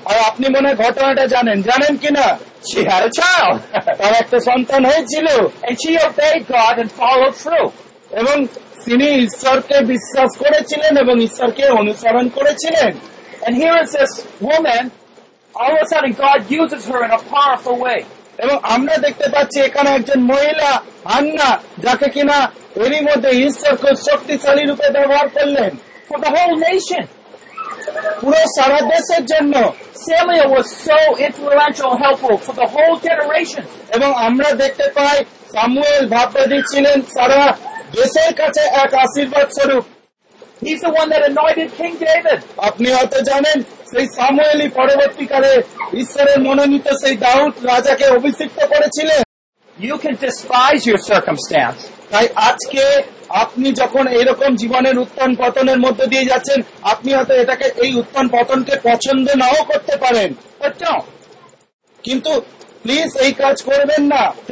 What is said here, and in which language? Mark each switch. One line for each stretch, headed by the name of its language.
Bangla: আর আপনি মনে হয় ঘটনাটা জানেন, জানেন কিনা?
English: She had a child.
Bangla: তার একটা সন্তান হয়েছিল.
English: And she obeyed God and followed through.
Bangla: এবং তিনি ঈশ্বরকে বিশ্বাস করেছিলেন এবং ঈশ্বরকে অনুসরণ করেছিলেন.
English: And here is this woman, all of a sudden God uses her in a powerful way.
Bangla: এবং আমরা দেখতে পাচ্ছি এখানে একজন মহিলা হান্না, যাকে কিনা এর মধ্যে ঈশ্বর খুব শক্তিশালী রূপে ব্যবহার করলেন.
English: For the whole nation,
Bangla: পুরো সারা দেশের জন্য.
English: Samuel was so influential and helpful for the whole generation.
Bangla: এবং আমরা দেখতে পাই সামুয়েল ভাববাদী ছিলেন সারা দেশের কাছে এক আশীর্বাদ স্বরূপ.
English: He's the one that anointed King David.
Bangla: আপনি হয়তো জানেন সেই সামুয়েলই পরবর্তীকালে ঈশ্বরের মনোনীত সেই দাউদ রাজাকে অভিষিক্ত করেছিলেন.
English: You can despise your circumstance.
Bangla: তাই আজকে আপনি যখন এরকম জীবনের উত্থান পতনের মধ্যে দিয়ে যাচ্ছেন, আপনি হয়তো এটাকে এই উত্থান পতনকে পছন্দ নাও করতে পারেন, কিন্তু প্লিজ এই কাজ করবেন না.